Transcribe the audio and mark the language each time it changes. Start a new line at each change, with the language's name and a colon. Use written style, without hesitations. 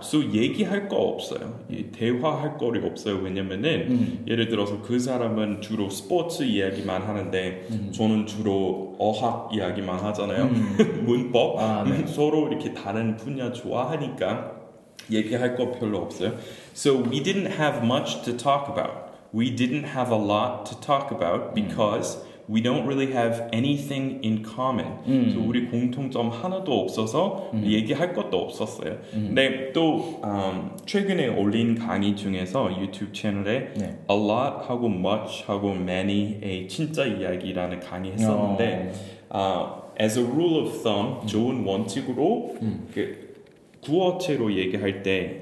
Korean: So 얘기할 거 없어요. 대화할 거리 없어요. 왜냐면은 예를 들어서 그 사람은 주로 스포츠 이야기만 하는데 저는 주로 어학 이야기만 하잖아요. 문법. 아, 네. 서로 이렇게 다른 분야 좋아하니까 얘기할 거 별로 없어요.
English: So we didn't have much to talk about. We didn't have a lot to talk about because we don't really have anything in common.
Korean: So 우리 공통점 하나도 없어서 얘기할 것도 없었어요. 근데 또 최근에 올린 강의 중에서 유튜브 채널에 네. a lot 하고 much 하고 many의 진짜 이야기라는 강의 했었는데
English: as a rule of thumb
Korean: 좋은 원칙으로 구어체로 얘기할 때